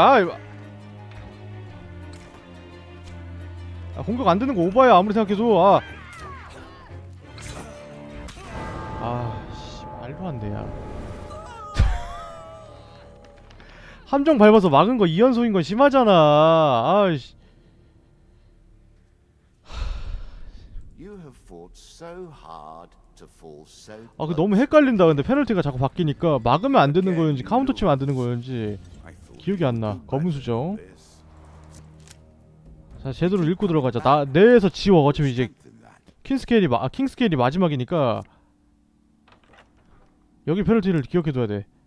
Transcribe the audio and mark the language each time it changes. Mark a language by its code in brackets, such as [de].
[ko] 아 공격 안 되는 거 오바야. 아무리 생각해도 아, 아, 씨 말도 안 돼야. 함정 밟아서 막은 거 2연속인 건 심하잖아. 아, 씨. [en] You have fought so hard to fall so. [ko] 아, 그 너무 헷갈린다. 근데 페널티가 자꾸 바뀌니까 막으면 안 되는 거였는지 카운터 치면 안 되는 거였는지 기억이 안 나. 검은 수정. 자 제대로 읽고 들어가자. 나 내에서 지워. 어차피 이제 킹스케일이 마 아, 킹스케일이 마지막이니까 여기 페널티를 기억해둬야 돼.